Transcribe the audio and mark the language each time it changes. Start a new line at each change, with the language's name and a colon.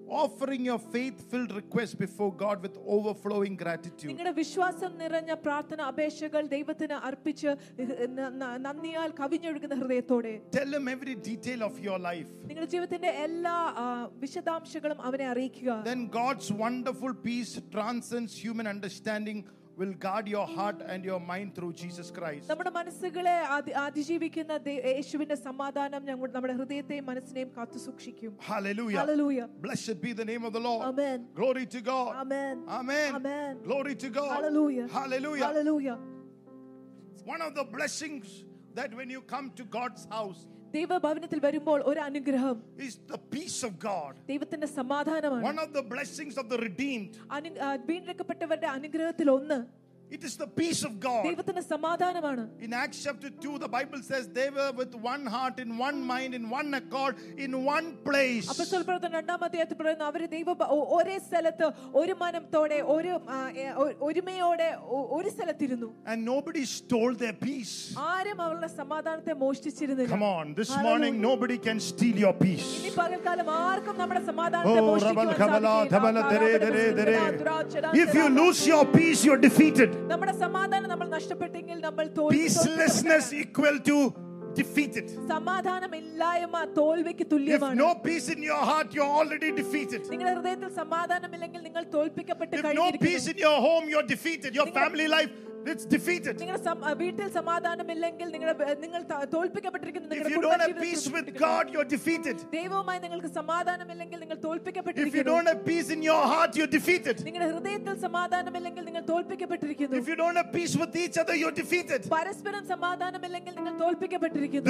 English: Offering your faith-filled request before God with overflowing gratitude.
Malayalam: നിങ്ങളുടെ വിശ്വാസം നിറഞ്ഞ പ്രാർത്ഥന അപേക്ഷകൾ ദൈവത്തിന് അർപ്പിച്ച് നന്ദിയാൽ കവിഞ്ഞൊഴുകുന്ന ഹൃദയത്തോടെ.
English: Tell him every detail of your life.
Malayalam: നിങ്ങളുടെ ജീവിതത്തിന്റെ എല്ലാ വിശദാംശങ്ങളും അവനെ അറിയിക്കുക.
English: Then God's wonderful peace transcends human understanding. Will guard your heart and your mind through Jesus Christ.
Malayalam: നമ്മുടെ മനസ്സുകളെ അതിജീവിക്കുന്ന യേശുവിന്റെ സമാധാനം നമ്മുടെ ഹൃദയത്തെയും മനസ്സിനെയും കാത്തു സൂക്ഷിക്കും.
English: Hallelujah. Hallelujah. Blessed be the name of the Lord. Amen. Glory to God. Amen. Amen. Amen. Glory to God. Hallelujah. Hallelujah. Hallelujah. One of the blessings that when you come to God's house,
Malayalam: ദൈവഭവനത്തിൽ വരുമ്പോൾ ഒരു അനുഗ്രഹം
English: is the peace of God.
Malayalam: ദൈവത്തിന്റെ സമാധാനമാണ്.
English: One of the blessings of the redeemed.
Malayalam: വീണ്ടെടുക്കപ്പെട്ടവരുടെ അനുഗ്രഹത്തിൽ ഒന്ന്.
English: It is the peace of God.
Malayalam: ദൈവത്തിന്റെ സമാധാനമാണ്.
English: In Acts chapter 2 the Bible says they were with one heart in one mind in one accord in one place.
Malayalam: അപ്പോസ്തല പ്രവർത്തനം 2-ാം അധ്യായത്തിൽ പറയുന്നു അവർ ദൈവ ഒരേ സ്ഥലത്ത് ഒരു മനത്തോടെ ഒരു ഒരുമയോടെ ഒരു സ്ഥലത്തിരുന്നു.
English: And nobody stole their peace.
Malayalam: ആരും അവരുടെ സമാധാനത്തെ മോഷ്ടിച്ചിരുന്നില്ല.
English: Come on, this morning nobody can steal your peace.
Malayalam: ഇനി പകൽക്കാലം ആർക്കും നമ്മുടെ സമാധാനത്തെ മോഷ്ടിക്കാൻ സാധിക്കില്ല.
English: If you lose your peace you are defeated.
Malayalam: നമ്മുടെ സമാധാനം നമ്മൾ നഷ്ടപ്പെട്ടെങ്കിൽ നമ്മൾ
English: peacelessness equal to defeated.
Malayalam: സമാധാനം ഇല്ലായ്മ തോൽവിക്ക് തുല്യമാണ്.
English: If no peace in your heart, you're already defeated.
Malayalam: നിങ്ങളുടെ ഹൃദയത്തിൽ സമാധാനമില്ലെങ്കിൽ നിങ്ങൾ തോൽപ്പിക്കപ്പെട്ട് കഴിഞ്ഞിരിക്കുന്നു.
English: If no peace in your home, you're defeated. Your family life, it's defeated.
Malayalam: നിങ്ങളുടെ വീട്ടിൽ സമാധാനമില്ലെങ്കിൽ നിങ്ങൾ തോൽപ്പിക്കപ്പെട്ടിരിക്കുന്നു.
English: If you don't have peace with God, you're defeated.
Malayalam: ദൈവവുമായി നിങ്ങൾക്ക് സമാധാനമില്ലെങ്കിൽ നിങ്ങൾ തോൽപ്പിക്കപ്പെട്ടിരിക്കുന്നു.
English: If you don't have peace in your heart, you're defeated.
Malayalam: നിങ്ങളുടെ ഹൃദയത്തിൽ സമാധാനമില്ലെങ്കിൽ നിങ്ങൾ തോൽപ്പിക്കപ്പെട്ടിരിക്കുന്നു.
English: If you don't have peace with each other, you're defeated.
Malayalam: പരസ്പരം സമാധാനമില്ലെങ്കിൽ നിങ്ങൾ തോൽപ്പിക്കപ്പെട്ടിരിക്കുന്നു.